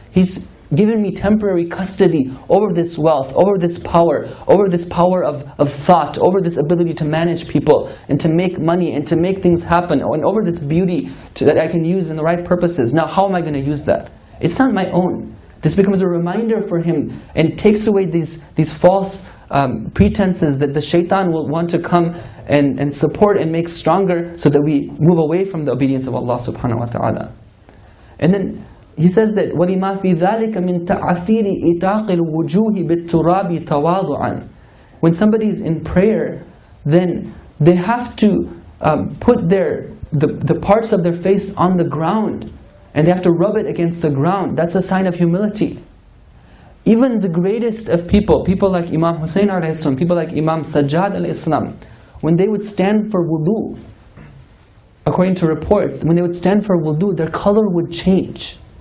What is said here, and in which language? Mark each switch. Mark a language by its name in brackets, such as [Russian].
[English] He's given me temporary custody over this wealth, over this power of thought, over this ability to manage people and to make money and to make things happen, and over this beauty that I can use in the right purposes. Now, how am I going to use that? It's not my own. This becomes a reminder for him and takes away these false pretenses that the shaitan will want to come and support and make stronger, so that we move away from the obedience of Allah subhanahu wa ta'ala. And then he says that [Arabic] وَلِمَا فِي ذَلِكَ مِنْ تَعَثِيرِ إِتَاقِ الْوُجُوهِ بِالتُّرَابِ تَوَاضُعًا. [English] When somebody is in prayer, then they have to put the parts of their face on the ground, and they have to rub it against the ground. That's a sign of humility. Even the greatest of people, people like Imam Hussein alayhi salam, people like Imam Sajjad alayhi salam, when they would stand for wudu, according to reports, when they would stand for wudu, their color would change.